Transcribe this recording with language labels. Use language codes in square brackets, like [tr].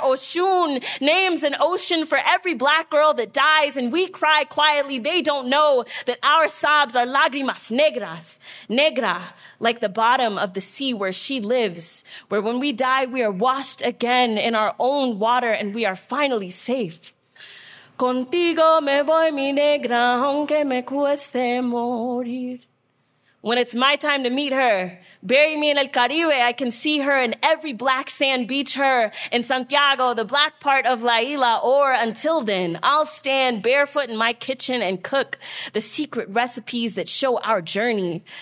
[en] Oshun names an ocean for every black girl that dies, and we cry quietly. They don't know that our sobs are [es] lágrimas negras, negra, [en] like the bottom of the sea where she lives, where when we die, we are washed again in our own water, and we are finally safe. [es] Contigo me voy, mi negra, aunque me cueste morir. [en] When it's my time to meet her, bury me in El Caribe. I can see her in every black sand beach, her in Santiago, the black part of La Isla. Or until then, I'll stand barefoot in my kitchen and cook the secret recipes that show our journey.